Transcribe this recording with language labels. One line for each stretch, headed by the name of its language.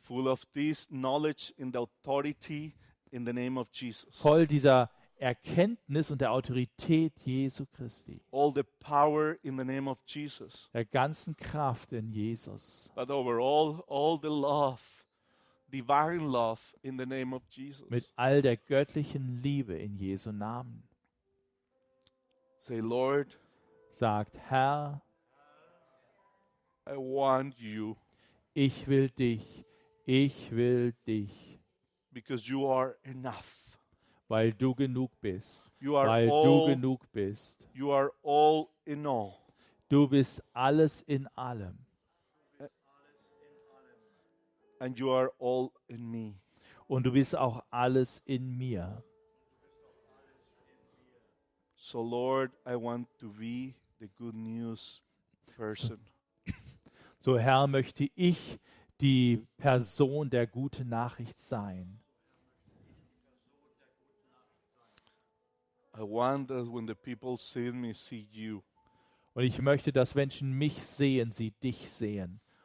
English: full of this knowledge in the authority in the name of Jesus,
German: voll dieser Erkenntnis und der Autorität Jesu Christi,
English: all the power in the name of Jesus,
German: der ganzen Kraft in Jesus,
English: but over all the love. Divine love in the name of Jesus.
German: Mit all der göttlichen Liebe in Jesu Namen.
English: Say, Lord,
German: sagt Herr,
English: I want you.
German: Ich will dich. Ich will dich.
English: Because you are enough.
German: Weil du genug bist.
English: You are
German: weil
English: all,
German: du genug bist.
English: You are all in all.
German: Du bist alles in allem.
English: And you are all in me.
German: Und du bist auch alles in mir.
English: So Lord, I want to be the good news person.
German: So Herr, möchte ich die Person der guten Nachricht sein.
English: I want that when the people see me, see you.
German: Und ich möchte, dass Menschen mich sehen, sie dich sehen.